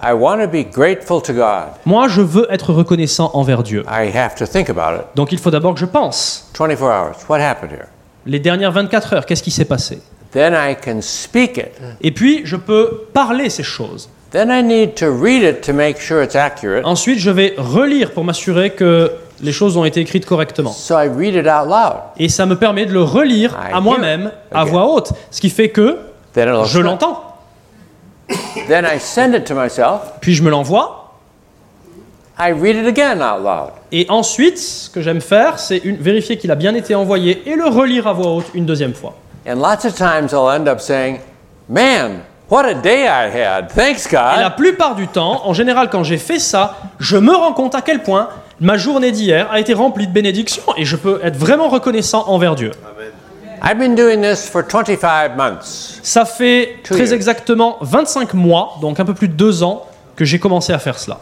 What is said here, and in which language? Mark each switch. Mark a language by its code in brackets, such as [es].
[en] I want to be grateful to God. [fr] Moi, je veux être reconnaissant envers Dieu. [en] I have to think about it. [fr] Donc il faut d'abord que je pense. [en] 24 hours. What happened here? [fr] Les dernières 24 heures, qu'est-ce qui s'est passé? [en] Then I can speak it. [fr] Et puis, je peux parler ces choses. [en] Then I need to read it to make sure it's accurate. [fr] Ensuite, je vais relire pour m'assurer que les choses ont été écrites correctement. [en] So I read it out loud. [fr] Et ça me permet de le relire [en] I [fr] à moi-même, [en] it. [fr] À okay. voix haute. Ce qui fait que [en] Then it'll [fr] je [en] start. [fr] L'entends. [en] Then I send it to myself. [fr] Puis je me l'envoie. [en] I read it again out loud. [fr] Et ensuite, ce que j'aime faire, c'est vérifier qu'il a bien été envoyé et le relire à voix haute une deuxième fois. [en] And lots of times I'll end up saying, "Man, what a day I had! Thanks God." [fr] Et la plupart du temps, en général, quand j'ai fait ça, je me rends compte à quel point ma journée d'hier a été remplie de bénédictions et je peux être vraiment reconnaissant envers Dieu. [en] Amen. I've been doing this for 25 months. [fr] Ça fait très exactement 25 mois, donc un peu plus de 2 ans, que j'ai commencé à faire cela.